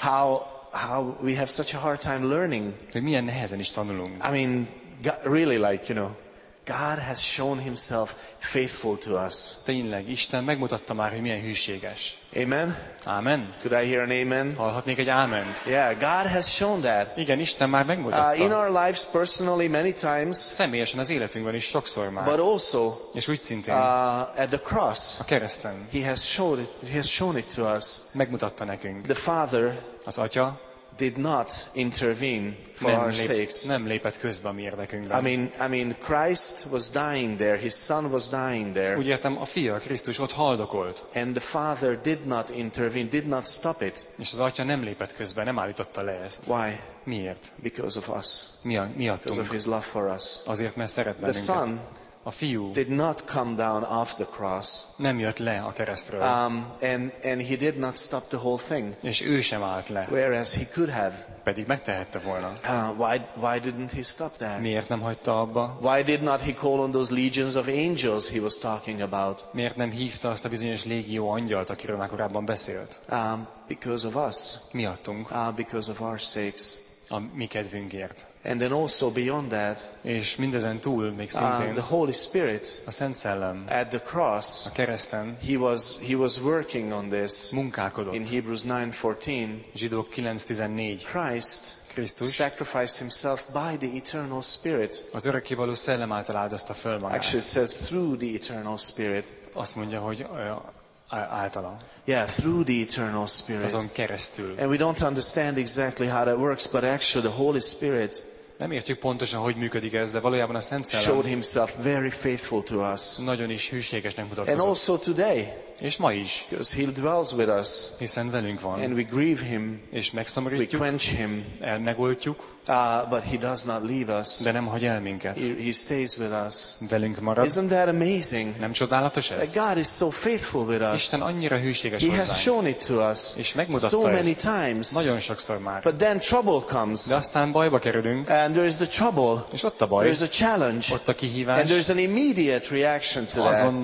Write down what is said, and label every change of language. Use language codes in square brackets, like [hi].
[en] how we have such a hard time learning. [hu] Hogy milyen nehezen is tanulunk. [en] I mean, really, like, you know, God has shown himself faithful to us. [hu] Tényleg, Isten megmutatta már, hogy milyen hűséges. [en] Amen. [hu] Amen. [en] Could I hear an amen? [hu] Hallhatnék egy áment. [en] Yeah, God has shown that. [hu] Igen, Isten már megmutatta. [en] In our lives personally many times. [hu] Személyesen az életünkben is sokszor már. [en] But also, [hu] és úgy szintén, [en] at the cross. [hu] A kereszten. [en] He has shown it to us. [hu] Megmutatta nekünk. [en] The Father, [hu] az Atya, [en] did not intervene for our sakes. [hu] Nem lépett közbe a mi érdekünkben. [en] I mean, Christ was dying there. His son was dying there. [hu] Úgy értem, a fia, Krisztus ott haldokolt. [en] And the Father did not intervene, did not stop it. [hu] És az Atya nem lépett közbe, nem állította le ezt. [en] Why? [hu] Miért? [en] Because of us. [hu] Miattunk. [en] Because of his love for us. [hu] Azért, mert szeret bennünket. [en] The son, [hu] a fiú, [en] did not come down off the cross. [hu] Nem jött le a keresztről. [en] And he did not stop the whole thing. [hu] És ő sem állt le. [en] Whereas he could have. [hu] Pedig megtehette volna. [en] Why didn't he stop that? [hu] Miért nem hagyta abba? [en] Why did not he call on those legions of angels he was talking about? [hu] Miért nem hívta azt a bizonyos légió angyalt, akiről már korábban beszélt? [en] Because of us. [hu] Miattunk. [en] Because of our sakes. [hu] A mi kedvünkért. [en] And then also beyond that, [hu] és mindezen túl még szintén, [en] the Holy Spirit, [hu] a Szent Szellem, [en] at the cross, [hu] a kereszten, [en] he was working on this, [hu] munkálkodott. [en] In Hebrews 9:14, Christ, [hu] Krisztus, [en] sacrificed himself by the eternal Spirit. [hu] Az örökkévaló Szellem által áldozta föl magát. [en] Actually, it says through the eternal Spirit. [hu] Azt mondja, hogy általa. [en] Yeah, through the eternal Spirit. [hu] Azon keresztül. [en] And we don't understand exactly how that works, but actually the Holy Spirit, [hu] nem értjük pontosan, hogy működik ez, de valójában a Szent Szellem [en] showed himself very faithful to us. [hu] Nagyon is hűségesnek mutatkozott. [en] And also today, [hu] és ma is, [en] because he dwells with us, [hu] hiszen velünk van, [en] and we grieve him, [hu] és megszomorítjuk, [en] we quench him, [hu] elmegoltjuk, [en] but he does not leave us, [hu] de nem hagy el minket, [en] he stays with us, [hu] velünk marad. [en] Isn't that amazing? [hu] Nem csodálatos ez? [en] God is so faithful with us. [hu] Isten annyira hűséges hozzánk. [en] He has shown it to us, [hu] és megmutatta [en] so many times, [hu] nagyon sokszor már. [en] But then trouble comes, [hu] de aztán bajba kerülünk, [en] and there is the trouble, [hu] és ott a baj, [en] there is a challenge, [hu] ott a kihívás, [en] and there is an immediate reaction to that.